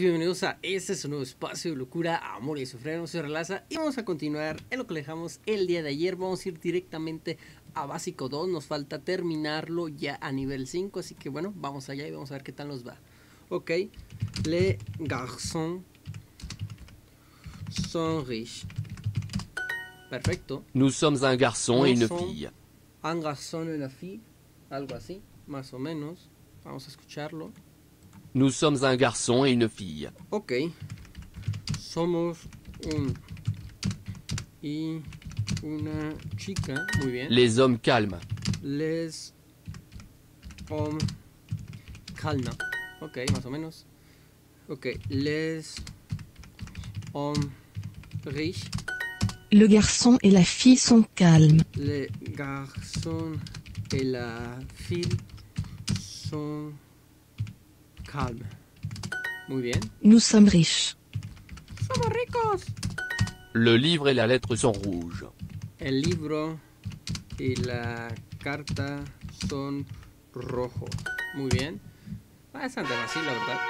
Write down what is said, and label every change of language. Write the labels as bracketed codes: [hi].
[es] Bienvenidos a este su nuevo espacio de locura, amor y sufrir. No se relaza. Y vamos a continuar en lo que dejamos el día de ayer. Vamos a ir directamente a básico 2. Nos falta terminarlo ya a nivel 5. Así que bueno, vamos allá y vamos a ver qué tal nos va. Ok. [fr] Les garçons sont riches. [es] Perfecto. [fr] Nous sommes un garçon et une fille. Un garçon et une fille. [es] Algo así, más o menos. Vamos a escucharlo. [fr] Nous sommes un garçon et une fille. [es] Ok. Somos un y una chica. Muy bien. [fr] Les hommes calmes. Les hommes calmes. [es] Ok, más o menos. Ok. [fr] Les hommes riches. Le garçon et la fille sont calmes. Les garçons et la fille sont calmes. [es] Muy bien. [fr] Nous sommes riches. [es] Somos ricos. [fr] Le livre et la lettre sont rouges. [es] El libro y la carta son rojo. Muy bien. Bastante fácil, la verdad.